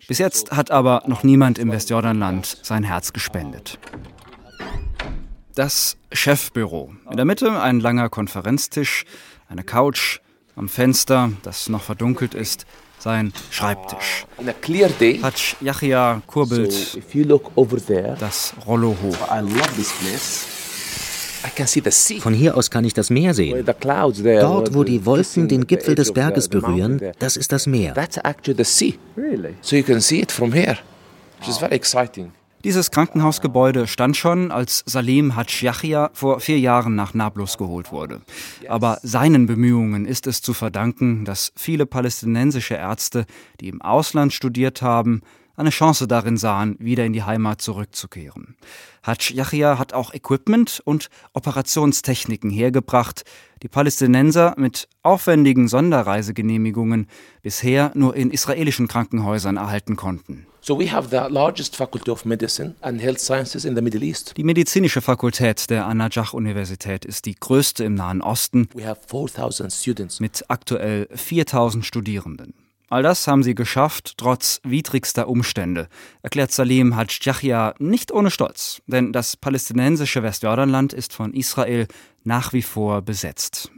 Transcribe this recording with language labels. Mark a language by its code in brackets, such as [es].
[de] Bis jetzt hat aber noch niemand im Westjordanland sein Herz gespendet. Das Chefbüro. In der Mitte ein langer Konferenztisch, eine Couch, am Fenster, das noch verdunkelt ist, sein Schreibtisch. [en] In a clear day, [de] Hadj Yahya kurbelt [en] so if you look over there, [de] das Rollo hoch. [en] I love this place. I can see the sea. [de] Von hier aus kann ich das Meer sehen. [en] The clouds there, [de] dort, wo die Wolken den Gipfel des Berges berühren, das ist das Meer. [en] That's actually the sea. Really? So you can see it from here, which is very exciting. [de] Dieses Krankenhausgebäude stand schon, als Salim Hadj Yahya vor 4 Jahren nach Nablus geholt wurde. Aber seinen Bemühungen ist es zu verdanken, dass viele palästinensische Ärzte, die im Ausland studiert haben, eine Chance darin sahen, wieder in die Heimat zurückzukehren. Hadj Yahya hat auch Equipment und Operationstechniken hergebracht, die Palästinenser mit aufwendigen Sonderreisegenehmigungen bisher nur in israelischen Krankenhäusern erhalten konnten. [en] So we have the largest faculty of medicine and health sciences in the Middle East. [de] Die medizinische Fakultät der Annajach-Universität ist die größte im Nahen Osten. [en] We have 4,000 students. [de] Mit aktuell 4,000 Studierenden. All das haben sie geschafft, trotz widrigster Umstände, erklärt Salim Hadj Yahya nicht ohne Stolz. Denn das palästinensische Westjordanland ist von Israel nach wie vor besetzt.